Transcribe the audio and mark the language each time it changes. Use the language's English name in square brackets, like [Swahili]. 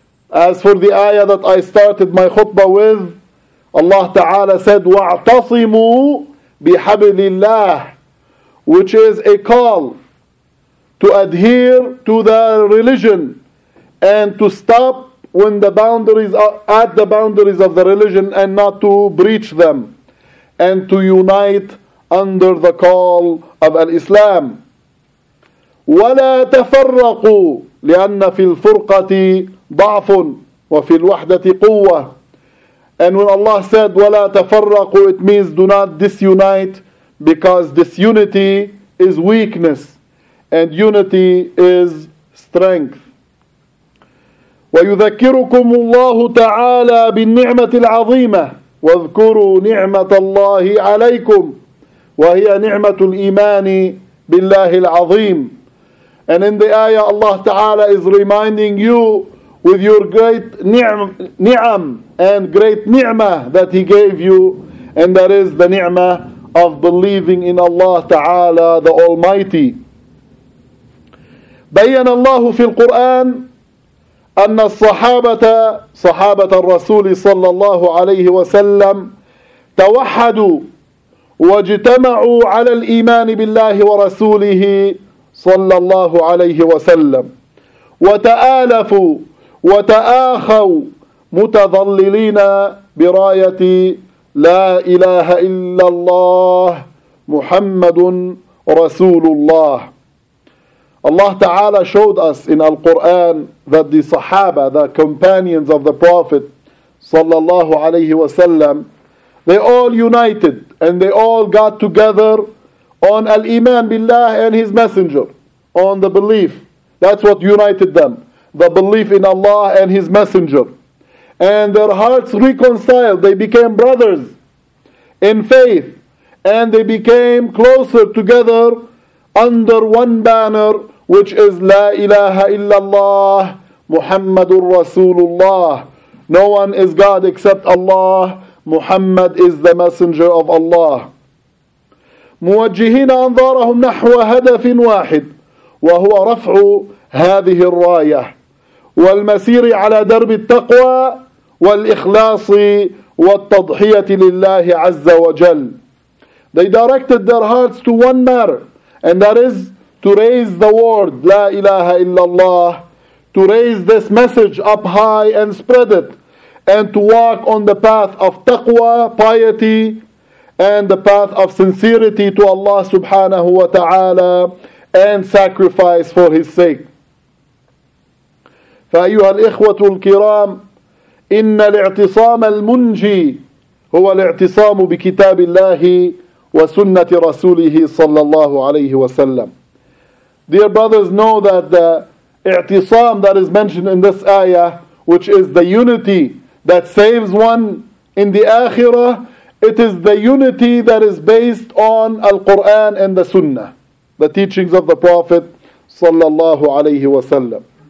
[English] As for the ayah that I started my khutbah with, Allah تعالى said [Arabic] واعتصموا بحبل الله, [English] which is a call to adhere to the religion and to stop when the boundaries are at the boundaries of the religion and not to breach them, and to unite under the call of al-Islam. [Arabic] ولا تفرقوا لأن في الفرقة ضعف وفي الوحدة قوة. [English] And when Allah said [Arabic] ولا تفرقوا, [English] it means do not disunite, because disunity is weakness and unity is strength. [Arabic] ويذكركم الله تعالى بالنعمة العظيمة واذكروا نعمة الله عليكم وهي نعمة الإيمان بالله العظيم. [English] And in the ayah, Allah Ta'ala is reminding you with your great ni'am and great ni'mah that He gave you, and that is the ni'mah of believing in Allah Ta'ala, the Almighty. [Arabic] بيّن الله في القرآن أن الصحابة صحابة الرسول صلى الله عليه وسلم توحدوا واجتمعوا على الإيمان بالله ورسوله صلى الله عليه وسلم وتآلفوا وتآخوا متظللين براية لا إله إلا الله محمد رسول الله. [English] Allah Ta'ala showed us in Al-Quran that the Sahaba, the companions of the Prophet sallallahu alayhi wa sallam, they all united and they all got together on Al-Iman Billah and His Messenger, on the belief. That's what united them, the belief in Allah and His Messenger. And their hearts reconciled, they became brothers in faith, and they became closer together under one banner, which is La ilaha illallah Muhammadur Rasulullah. No one is God except Allah. Muhammad is the messenger of Allah. [Arabic] موجهين أنظارهم نحو هدف واحد وهو رفع هذه الراية والمسير على درب التقوى والإخلاص والتضحية لله عز وجل. [English] They directed their hearts to one matter, and that is to raise the word, La ilaha illallah, to raise this message up high and spread it, and to walk on the path of taqwa, piety, and the path of sincerity to Allah subhanahu wa ta'ala, and sacrifice for His sake. [Arabic] فأيها الإخوة الكرام, إن الاعتصام المنجي هو الاعتصام بكتاب الله وسنة رسوله صلى الله عليه وسلم. [English] Dear brothers, know that the i'tisam that is mentioned in this ayah, which is the unity that saves one in the akhirah, it is the unity that is based on Al-Quran and the Sunnah, the teachings of the Prophet sallallahu alayhi wa sallam.